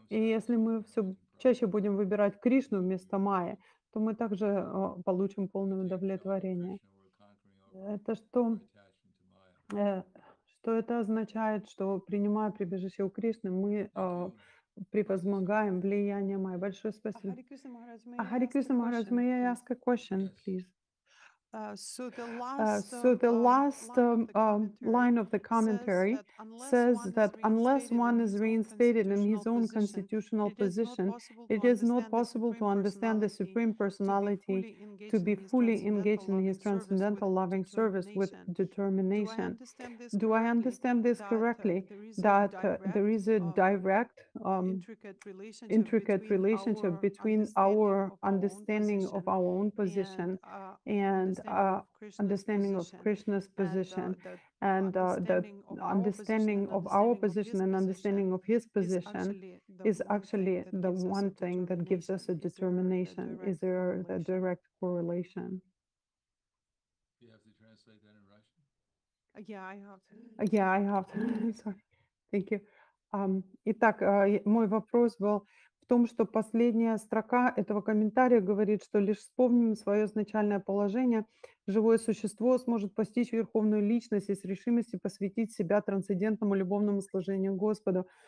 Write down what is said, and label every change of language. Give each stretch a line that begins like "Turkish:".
Russian: И если мы все чаще будем выбирать Кришну вместо Майи, то мы также получим полное удовлетворение. Это что это означает, что, принимая прибежище у Кришны, мы превозмогаем влияние Майи. Большое спасибо.
English: Hare Krishna Maharaj, may I ask a question, please? So the last line of the commentary says that unless one is reinstated in his own constitutional position, it is not possible to understand the Supreme Personality to be fully engaged in his transcendental loving service with determination. Do I understand this correctly, that there is a direct, intricate relationship between our understanding of our own position and understanding of Krishna's position, and the understanding of our position and understanding of his position is actually the one thing that gives us a determination? Is there a direct correlation? Do you have to translate that in Russian? Yeah, I have to. Sorry. Thank you.
Russian: Итак, мой вопрос был в том, что последняя строка этого комментария говорит, что лишь вспомним свое изначальное положение, живое существо сможет постичь верховную личность и с решимостью посвятить себя трансцендентному любовному служению Господу.